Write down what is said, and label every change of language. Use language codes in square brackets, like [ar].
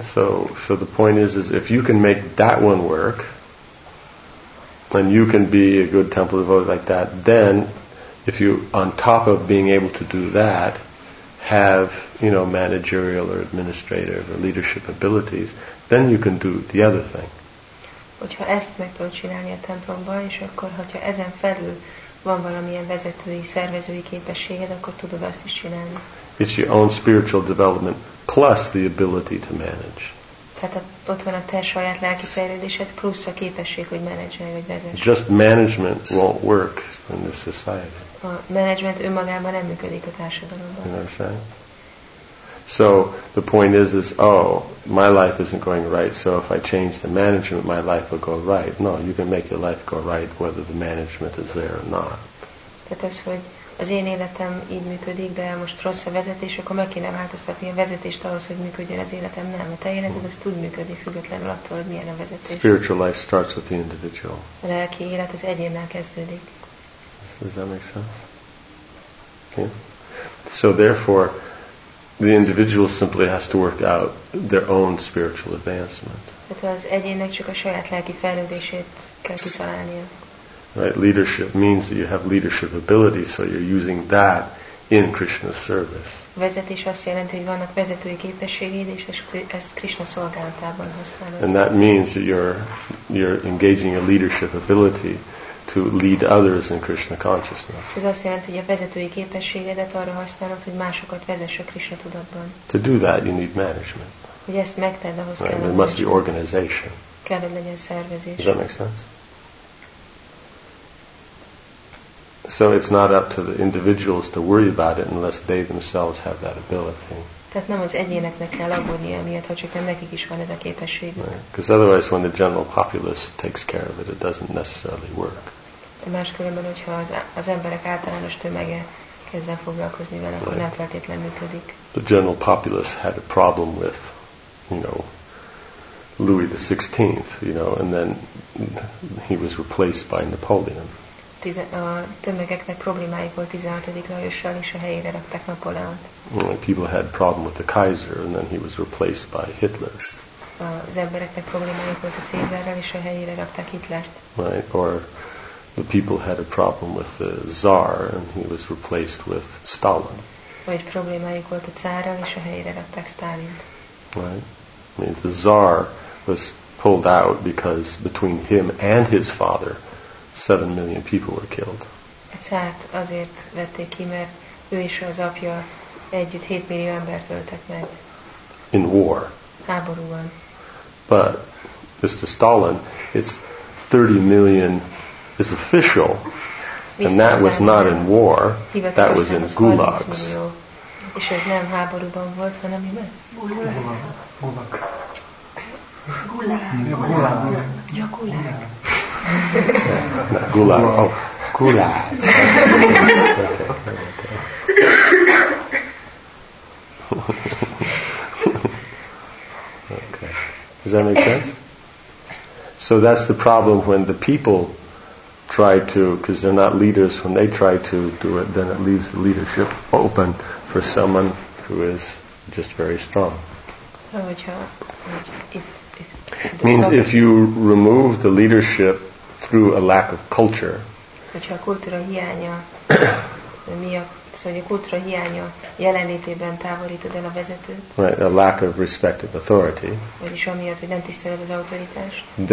[en] So the point is if you can make that one work, then you can be a good temple devotee like that. Then, if you, on top of being able to do that, have, you know, managerial or administrative or leadership abilities, then you can do the other thing. [hu] Hogyha ezt meg tudod csinálni a templomban, és akkor, hogyha ezen felül van valamilyen vezetői, szervezői képességed, akkor tudod azt is csinálni. [en] It's your own spiritual development plus the ability to manage. [hu] Tehát ott van a te saját lelki fejlődésed, plusz a képesség, hogy menedzselj, vagy vezess. [en] Just management won't work in this society. [hu] A management önmagában nem működik a társadalomban. [en] You know what I'm saying? So the point is, oh, my life isn't going right, so if I change the management, my life will go right. No, you can make your life go right whether the management is there or not. [hu] Tehát az, hogy az én életem így működik, de most rossz a vezetés, akkor meg kéne változtatni a vezetést ahhoz, hogy működjön az életem. Nem, a te életed az tud működni, függetlenül attól, hogy milyen a vezetés. [en] Spiritual life starts with the individual. [hu] A lelki élet az egyénnel kezdődik. [en] Does that make sense? Yeah. So therefore, the individual simply has to work out their own spiritual advancement. [hu] Tehát az egyének csak a saját lelki fejlődését kell kitalálnia. [en] Right? Leadership means that you have leadership ability, so you're using that in Krishna's service. [hu] Vezetés azt jelenti, hogy vannak vezetői képességeid, és ezt Krishna szolgálatában használod. [en] And that means that you're engaging your leadership ability to lead others in Krishna consciousness. [hu] Ez azt jelenti, hogy a vezetői képességedet arra használod, hogy másokat vezess a Krishna tudatban. [en] To do that, you need management. [hu] Hogy ezt megtedd, ahhoz kell. [en] There must be organization. [hu] Kell legyen szervezés. [en] Does that make sense? So it's not up to the individuals to worry about it unless they themselves have that ability. [hu] Tehát nem az egyéneknek kell aggódnia miatt, ha csak nekik is van ez a képesség. [en] Because otherwise, when the general populace takes care of it, it doesn't necessarily work. [hu] Máskülönben, hogyha az emberek általános tömege kezd el foglalkozni vele, akkor nem feltétlenül működik. [en] The general populace had a problem with, you know, Louis XVI, you know, and then he was replaced by Napoleon. [hu] A tömegeknek problémáik volt 16. Lajossal, és a helyére rakták Napóleont. [en] People had problem with the Kaiser, and then he was replaced by Hitler. [hu] Az embereknek problémáik volt a Cézárral, és a helyére rakták Hitlert. [en] Right, or the people had a problem with the Tsar, and he was replaced with Stalin. [hu] Vagy problémáik volt a Cárral, és a helyére rakták Stalint. [en] Right, means the Tsar was pulled out because between him and his father, 7 million people were killed. [hu] Tehát azért vették ki, mert ő és az apja együtt 7 millió embert öltek meg. [en] In war. [hu] Háborúban. [en] But Mr. Stalin, it's 30 million is official, and that was not in war. That was in gulags. [hu] És ez nem háborúban volt, hanem mi meg? [en] Gulag. Gulag. Oh, gulag. Okay. Does that make sense? So that's the problem when the people try to, because they're not leaders, when they try to do it, then it leaves the leadership open for someone who is just very strong. Means if you remove the leadership through a lack of culture. [hu] Hogyha a kultúra hiánya miatt, szóval a kultúra hiánya jelenlétében távolítod el a vezetőt. [en] Right, a lack of respect of authority. [hu] Vagyis amiatt, hogy nem tiszteled az autoritást.